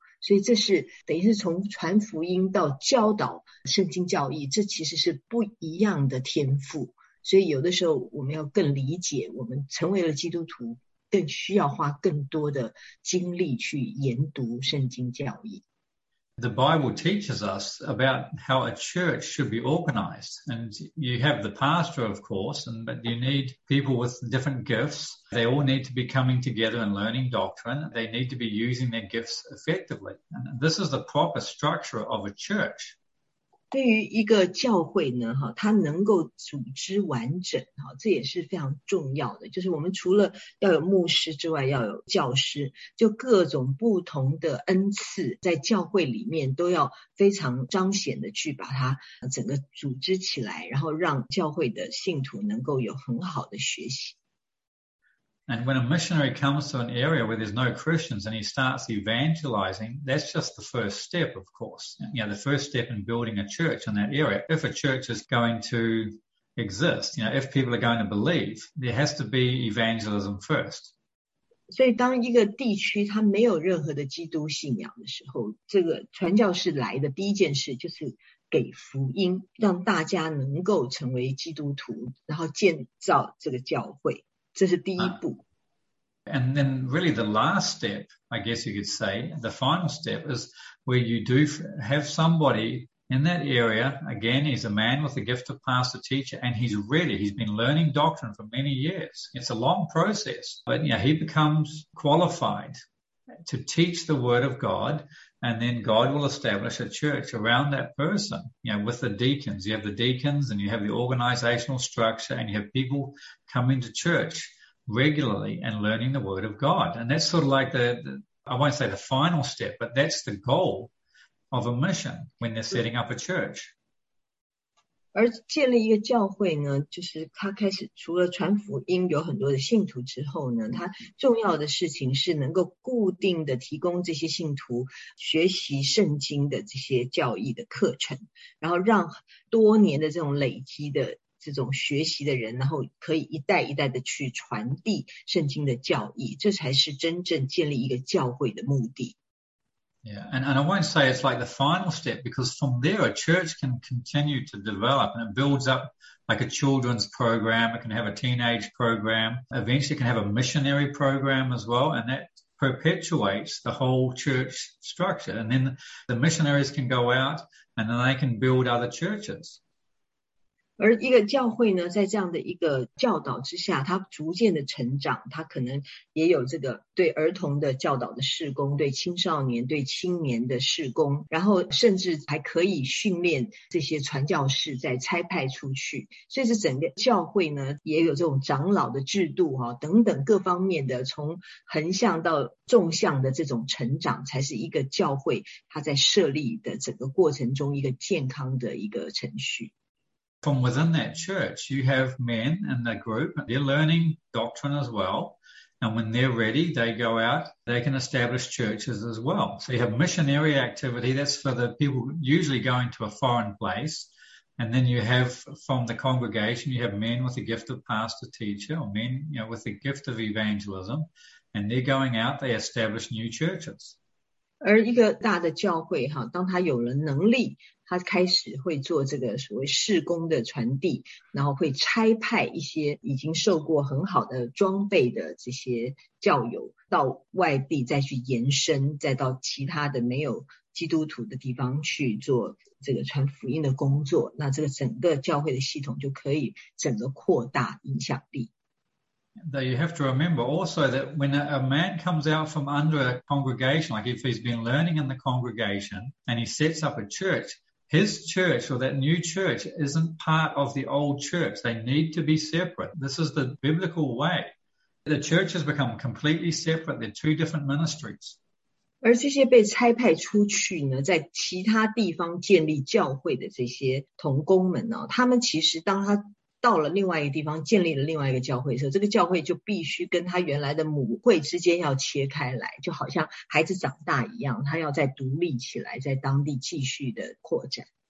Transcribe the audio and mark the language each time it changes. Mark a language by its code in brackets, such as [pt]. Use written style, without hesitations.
[zh] 所以这是等于是从传福音到教导圣经教义，这其实是不一样的天赋。所以有的时候我们要更理解，我们成为了基督徒，更需要花更多的精力去研读圣经教义。 [en] The Bible teaches us about how a church should be organized. And you have the pastor, of course, but you need people with different gifts. They all need to be coming together and learning doctrine. They need to be using their gifts effectively. And this is the proper structure of a church. [zh] 对于一个教会呢，哈，它能够组织完整，哈，这也是非常重要的。就是我们除了要有牧师之外，要有教师，就各种不同的恩赐，在教会里面都要非常彰显的去把它整个组织起来，然后让教会的信徒能够有很好的学习。 [en] And when a missionary comes to an area where there's no Christians and he starts evangelizing, that's just the first step, of course. The first step in building a church in that area, if a church is going to exist, if people are going to believe, there has to be evangelism first. [zh] 所以，当一个地区他没有任何的基督信仰的时候，这个传教士来的第一件事就是给福音，让大家能够成为基督徒，然后建造这个教会，这是第一步。 [en] And then really the last step, I guess you could say, the final step is where you do have somebody in that area. Again, he's a man with the gift of pastor teacher, and he's ready. He's been learning doctrine for many years. It's a long process, but he becomes qualified to teach the word of God, and then God will establish a church around that person, with the deacons. You have the deacons and you have the organizational structure and you have people coming to church regularly and learning the word of God. And that's sort of like I won't say the final step, but that's the goal of a mission when they're setting up a church. [zh] 而建立一个教会呢，就是他开始除了传福音有很多的信徒之后呢，他重要的事情是能够固定的提供这些信徒学习圣经的这些教义的课程，然后让多年的这种累积的这种学习的人，然后可以一代一代的去传递圣经的教义，这才是真正建立一个教会的目的。 [en] Yeah, and I won't say it's like the final step because from there a church can continue to develop and it builds up like a children's program, it can have a teenage program, eventually it can have a missionary program as well, and that perpetuates the whole church structure. And then the missionaries can go out and then they can build other churches. [zh] 而一个教会呢，在这样的一个教导之下，它逐渐的成长，它可能也有这个对儿童的教导的事工，对青少年、对青年的事工，然后甚至还可以训练这些传教士再差派出去，所以是整个教会呢也有这种长老的制度哈、啊，等等各方面的从横向到纵向的这种成长，才是一个教会它在设立的整个过程中一个健康的一个程序。 [en] From within that church, you have men in the group, and they're learning doctrine as well. And when they're ready, they go out, they can establish churches as well. So you have missionary activity, that's for the people usually going to a foreign place. And then you have from the congregation, you have men with the gift of pastor teacher, or men, with the gift of evangelism, and they're going out, they establish new churches. [zh] 而一个大的教会哈，当他有了能力，他开始会做这个所谓事工的传递，然后会差派一些已经受过很好的装备的这些教友到外地再去延伸，再到其他的没有基督徒的地方去做这个传福音的工作，那这个整个教会的系统就可以整个扩大影响力。 [en] though you have to remember also that when a man comes out from under a congregation, like if he's been learning in the congregation and he sets up a church, his church or that new church isn't part of the old church. They need to be separate. This is the biblical way. The church has become completely separate. They're two different ministries. [zh] 而这些被差派出去呢，在其他地方建立教会的这些同工们呢，他们其实当他到了另外一个地方建立了另外一个教会的时候，这个教会就必须跟他原来的母会之间要切开来，就好像孩子长大一样，他要再独立起来，在当地继续的扩展。